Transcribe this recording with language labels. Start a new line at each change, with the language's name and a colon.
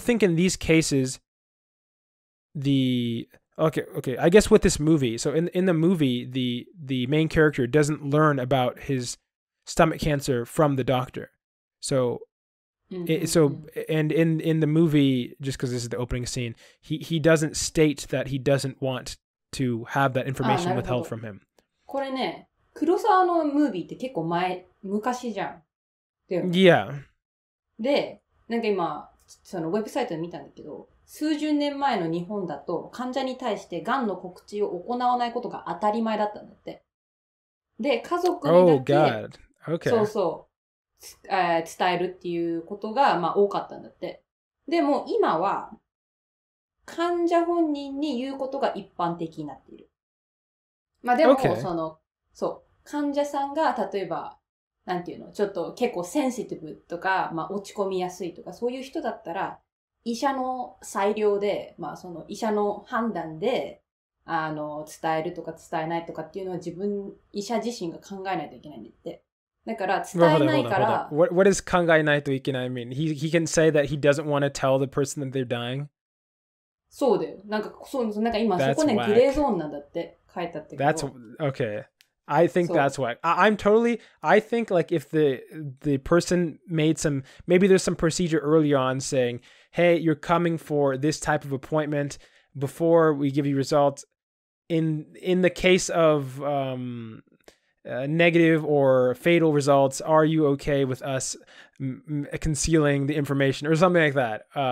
English: think in these cases I guess with this movie, so in the movie the main character doesn't learn about his stomach cancer from the doctor, so. Mm-hmm. So, and in the movie, just because this is the opening scene, he doesn't state that he doesn't want to have that information withheld from him.
Japanese: これね、黒沢のムービーって結構前、昔じゃん。だよね。
English: Yeah.
Japanese: で、なんか今、そのウェブサイトで見たんだけど、数十年前の日本だと患者に対して癌の告知を行わないことが当たり前だったんだって。で、家族にだけ、
English: Oh, God. Okay.
Japanese: そうそう。伝えるっていうことが、まあ、多かったんだって。でも今は患者本人に言うことが一般的になっている。まあでも、
English: okay.
Japanese: その、そう、患者さんが例えば、なんていうの、ちょっと結構センシティブとか、まあ、落ち込みやすいとか、そういう人だったら、医者の裁量で、まあその医者の判断で、伝えるとか伝えないとかっていうのは自分、医者自身が考えないといけないんだって。だから伝えないから。
English: What does
Japanese: 考えないといけない
English: mean? He can say that he doesn't want to tell the person that they're dying?
Japanese: そうだよ。なんか、そう、なんか今、そこね、グレーゾーンなんだって書いてあったけど。
English: That's, okay. I think that's why. I'm totally, I think like if the person made some, maybe there's some procedure early on saying, hey, you're coming for this type of appointment before we give you results. In the case of negative or fatal results, are you okay with us concealing the information or something like that?